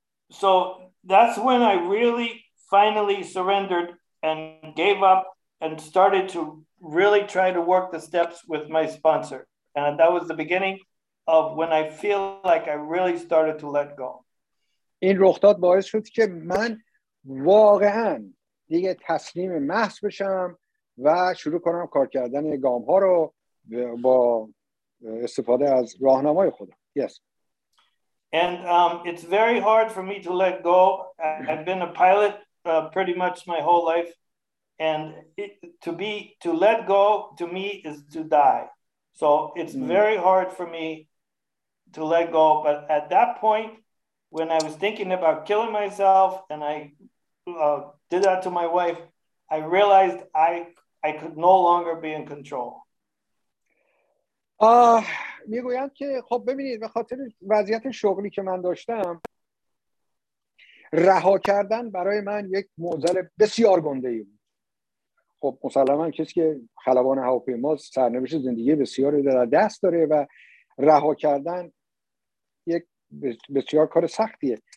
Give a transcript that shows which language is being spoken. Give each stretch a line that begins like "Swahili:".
English: So that's when I really finally surrendered and gave up and started to really try to work the steps with my sponsor. And that was the beginning of when I feel like I really started to let go.
Persian: این رخداد باعث شد که من واقعاً دیگه تسلیم محض بشم و شروع کنم کار کردن گام ها رو با استفاده از راهنمای خودم.
English: Yes. And it's very hard for me to let go. I've been a pilot pretty much my whole life. And to let go to me is to die. So it's very hard for me to let go. But at that point, when I was thinking about killing myself and I did that to my wife, I realized I could no longer be in control.
Persian: میگویند که خب ببینید، به خاطر وضعیت شغلی که من داشتم، رها کردن برای من یک معضل بسیار گنده ای بود. خب مسلماً کسی که خلبان هواپیما، سرنوشت زندگی بسیاری در دست داره و رها کردن یک بسیار کار سختیه.